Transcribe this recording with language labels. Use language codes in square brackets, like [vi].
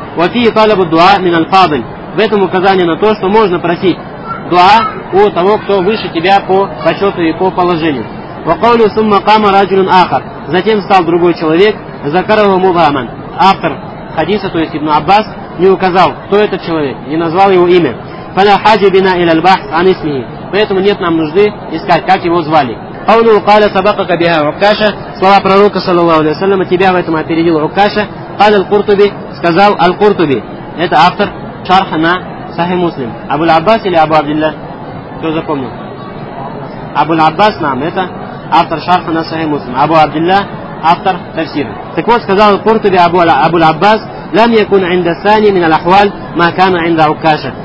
[ar] Ва фии талабу дуа мин аль-фадиль. [ru] В этом указание на то, что можно просить дуа у того, кто выше тебя по почету и по положению. [ar] وقالوا ثم قام رجل آخر. [ru] Затем стал другой человек. [ar] Закарова Мугаман. [ru] Автор хадиса, то есть Ибн Аббас, не указал, кто этот человек, не назвал его имя. [ar] فلا حاجة بنا إلى البحث عن اسمه. [ru] Поэтому нет нам нужды искать, как его звали. [ar] قالوا قال سبقك بها عكاشة. [ru] Слова пророка صلى الله عليه وسلم, тебя в этом опередил عكاشة. [ar] قال القرطبي. [ru] Сказал القرطبي. Это автор шарха на Сахи Муслим. Абу-Аббас или Абу-Абдилля? Кто запомнил? Абу-Аббас нам это автор шарха на Сахи Муслим. Абу-Абдилля автор тафсира. Так вот, сказал Куртуби Абу-Аббас, [ar] «Лам якун инда сани мин аль-ахваль ма кана инда Укаша».